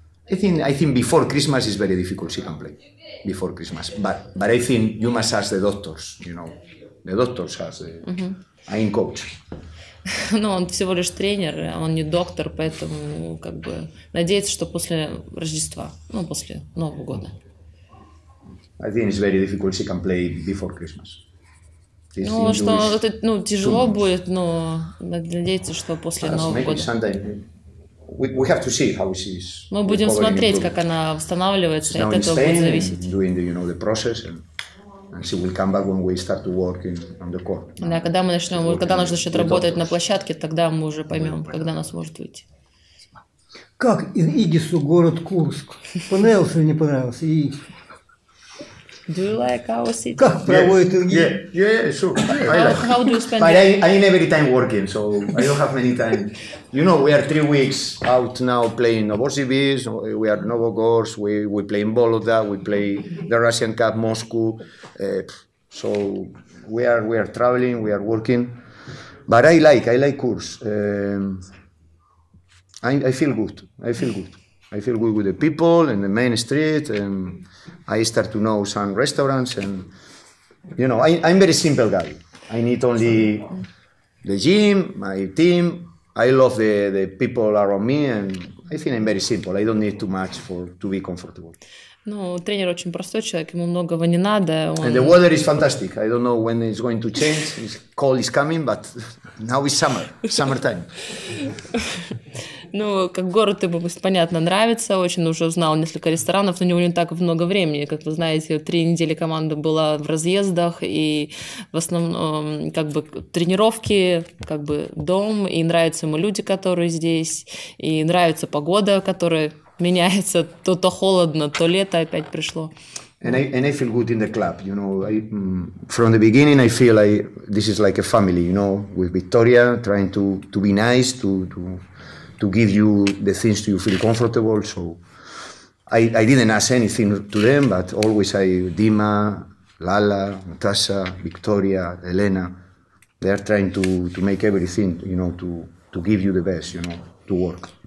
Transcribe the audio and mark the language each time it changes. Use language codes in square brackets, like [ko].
[en] I think before Christmas is very difficult she can play. Before Christmas. But I think you must ask the doctors, you know. The doctors ask the I'm coach. [ru] Ну, он всего лишь тренер, он не доктор, поэтому как бы надеяться, что после Рождества, ну, после Нового года. [en] I think it's very difficult she can play before Christmas. [ru] Ну, что это, ну, тяжело будет, но надеяться, что после Нового года. [en] Sunday. We have to see how she is. [ru] Мы будем смотреть, как она восстанавливается, от этого будет зависеть. [en] Doing the, you know, the process, and she will come back when we start to work on the court. [ru] Да, когда мы начнем, когда она начнет работать на площадке, тогда мы уже поймем, когда она сможет выйти. Как Игису город Курск? Понравился или не понравился? И... [en] Do you like our city? [ru] Как проводит Игис? [en] Yeah, sure. How do you spend? I need every time working, so I don't have many time. You know, we are 3 weeks out now playing Novosibirsk, we are Novogorsk, we play in Vologda, we play the Russian Cup, Moscow. So we are traveling, we are working. But I like Kursk. I feel good with the people and the main street, and I start to know some restaurants, and you know, I'm very simple guy. I need only the gym, my team. I love the people around me, and I think I'm very simple. I don't need too much to be comfortable. [ru] Ну, тренер очень простой человек, ему многого не надо. Он... [en] And the weather is fantastic. I don't know when it's going to change. It's cold is coming, but now it's summer, summertime. [ru] Ну, как город ему, понятно, нравится, очень уже узнал несколько ресторанов, но у него не так много времени. Как вы знаете, 3 недели команда была в разъездах, и в основном как бы тренировки, как бы дом, и нравятся ему люди, которые здесь, и нравится погода, которая меняется, то холодно, то лето опять пришло. [en] And I feel good in the club, you know. From the beginning, I feel like this is like a family, you know, with Victoria trying to be nice, to give you the things you feel comfortable. So I didn't ask anything to them, but always Dima, Lala, Natasha, Victoria, Elena, they are trying to make everything, you know, to give you the best, you know, to work.